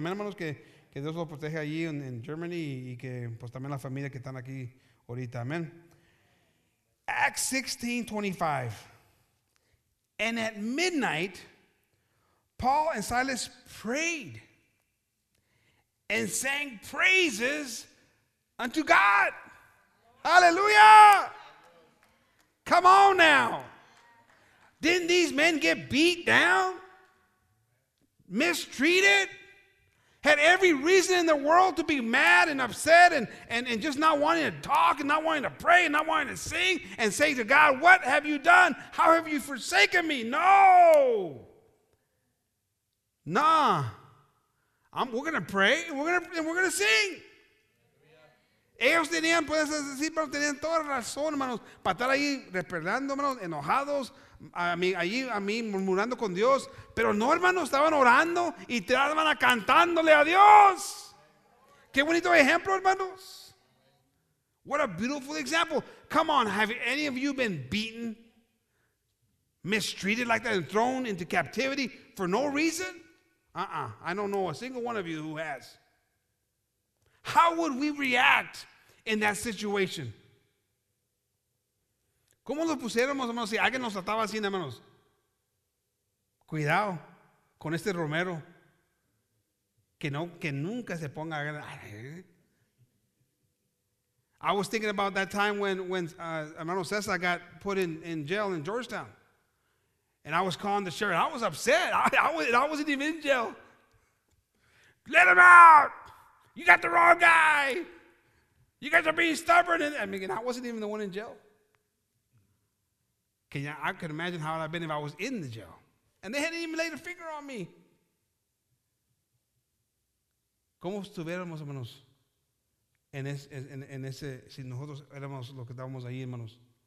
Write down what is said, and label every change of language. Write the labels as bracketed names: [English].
[Spanish] Amén, hermanos, que Dios lo proteja allí en Germany y que pues también la familia que están aquí ahorita. [English] Amen. Acts 16:25. And at midnight, Paul and Silas prayed and sang praises unto God. Hallelujah. Come on now. Didn't these men get beat down? Mistreated? Had every reason in the world to be mad and upset and just not wanting to talk and not wanting to pray and not wanting to sing and say to God, what have you done? How have you forsaken me? No. Nah. We're going to pray and we're going to sing. [Spanish] Ellos tenían, pues, sí, pero tenían toda razón, hermanos, para estar ahí respirando, hermanos, enojados, ahí murmurando con Dios. Pero no, hermanos, estaban orando y estaban cantándole a Dios. Qué bonito ejemplo, hermanos. [English] What a beautiful example. Come on, have any of you been beaten, mistreated like that, and thrown into captivity for no reason? I don't know a single one of you who has. How would we react in that situation? [Spanish] ¿Cómo lo pusiéramos, hermanos, si alguien nos trataba así, hermanos? Cuidado con este Romero. Que nunca se ponga. [English] I was thinking about that time when hermano César got put in jail in Georgetown. And I was calling the sheriff. I was upset. I wasn't even in jail. Let him out. You got the wrong guy. You guys are being stubborn. And I wasn't even the one in jail. I could imagine how I'd have been if I was in the jail. And they hadn't even laid a finger on me. [Spanish] ¿Cómo estuviéramos, hermanos, en ese, si nosotros éramos los que estábamos ahí, hermanos?